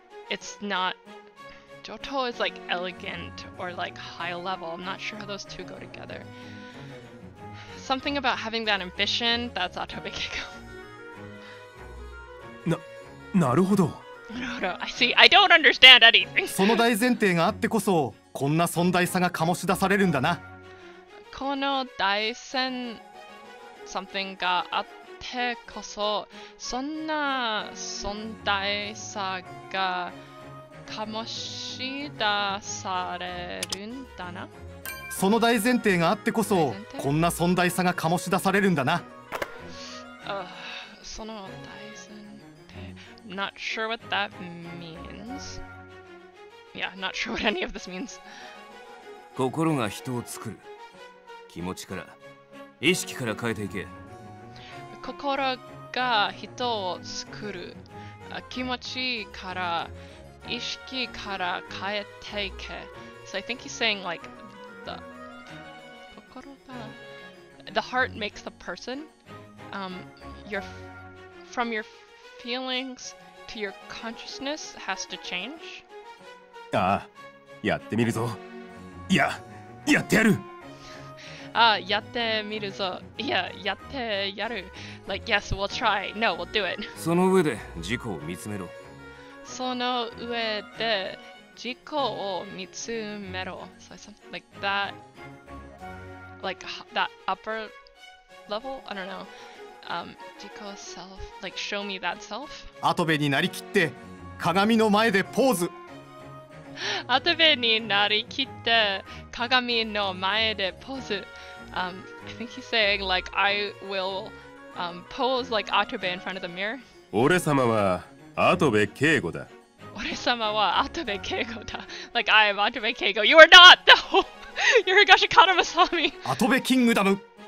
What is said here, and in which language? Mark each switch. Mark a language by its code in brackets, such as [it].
[en] It's not Joto is like elegant or like high level. I'm not sure how those two go together. Something about having that ambition, that's Atobe Keiko. [ja] なるほど。 [en] Naruto, I see. I don't understand anything. [ja] その大前提があってこそ、こんな尊大さが醸し出されるんだな。この大戦、 [en] something [ja] があってこそ、そんな尊大さが醸し出されるんだな。その大前提があってこそ、こんな尊大さが醸し出されるんだな。その大前提。 [en] Not sure what that means. Yeah, not sure what any of this means. [ja] 心が人を作る。気持ちから、意識から変えていけ。心が人を作る。気持ちから、意識から変えていけ。 [en] So I think he's saying like the heart makes the person. From your feelings to your consciousness has to change. [ja] ああ、やってみるぞ。いや、やってやる。ああ、やってみるぞ。いや、やってやる。 [en] Like yes, we'll try. No, we'll do it. [ja] その上で自己を見つめろ。その上で自己を見つめろ。 [en] So something like that, like that upper level. I don't know. 自己 self, like show me that self. [ja] アトベになりきって鏡の前でポーズ。アトベになりきって鏡の前でポーズ。 [en] I think he's saying like I will pose like Atobe in front of the mirror. [ja] 俺様は。Atobe Keigo da. 俺様は Atobe Keigo da. [en] Like I am Atobe Keigo. You are not the whole. You're Higashikata Masami. Atobe Kingdom.